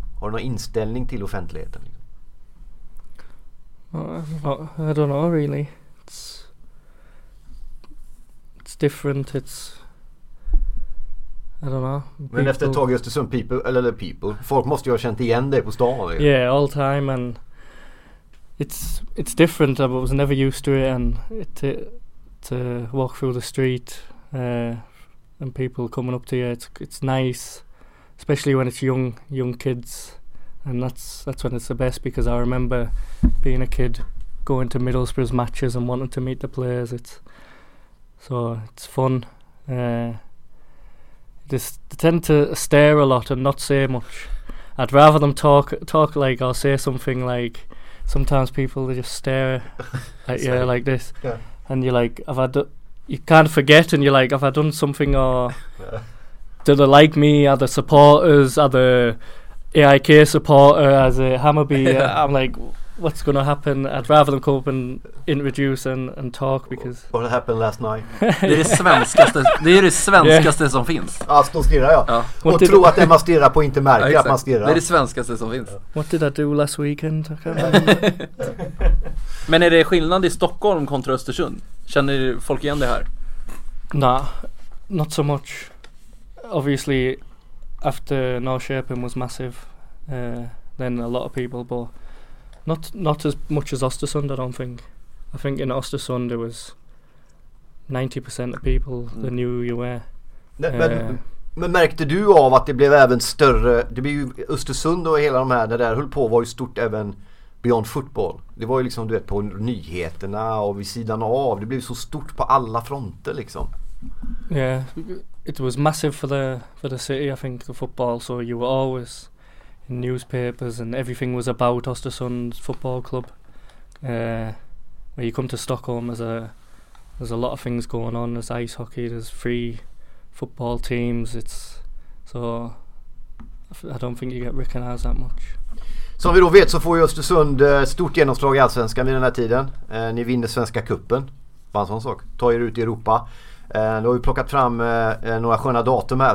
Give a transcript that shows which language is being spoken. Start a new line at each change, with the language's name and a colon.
Swedish: Har du någon inställning till offentligheten?
English: I don't know really. It's different. It's, I don't know. People.
Swedish: Men efter ett tag i Östersund, people. Folk måste ju ha känt igen dig på stan. Eller?
English: Yeah, all time and It's different. I was never used to it, and to walk through the street and people coming up to you, it's nice, especially when it's young kids, and that's when it's the best, because I remember being a kid going to Middlesbrough's matches and wanting to meet the players. It's fun. They tend to stare a lot and not say much. I'd rather them talk like or say something like. Sometimes people they just stare at you like this, yeah. And you're like, you can't forget, and you're like, have I done something, or do they like me? Are the supporters, are the AIK supporter, as a Hammarby? Yeah. I'm like, what's going to happen? I'd rather them come up and introduce and talk, because what happened last night?
Swedish: Det är det svenskaste som finns. Ja, stå och stirra, ja. Och tro att det man stirrar på inte märker att man stirrar. Det är det svenskaste som finns.
English: What did I do last weekend?
Swedish: Men är det skillnad i Stockholm kontra Östersund? Känner folk igen det här?
English: Nah, not so much. Obviously, after Norrköping was massive, then a lot of people, but Not as much as Östersund, I don't think. I think in Östersund there was 90% of people that knew who you were.
Swedish: Men märkte du av att det blev även större? Det blev ju Östersund och hela de här, det där höll på, var ju stort även
English: beyond football.
Swedish: Det var ju liksom, du vet, på nyheterna och vid sidan av. Det blev så stort på alla fronter liksom.
English: Yeah, it was massive for the city, I think, the football. So you were always in newspapers, and everything was about Östersund's football club. When you come to Stockholm, there's a lot of things going on. There's ice hockey, there's three football teams. I don't think you get recognized that much.
Swedish: Som vi då vet så får Östersund stort genomslag i Allsvenskan vid den här tiden. Ni vinner Svenska Cupen, bara en sån sak. Tar er ut i Europa. Då har vi plockat fram några sköna datum här.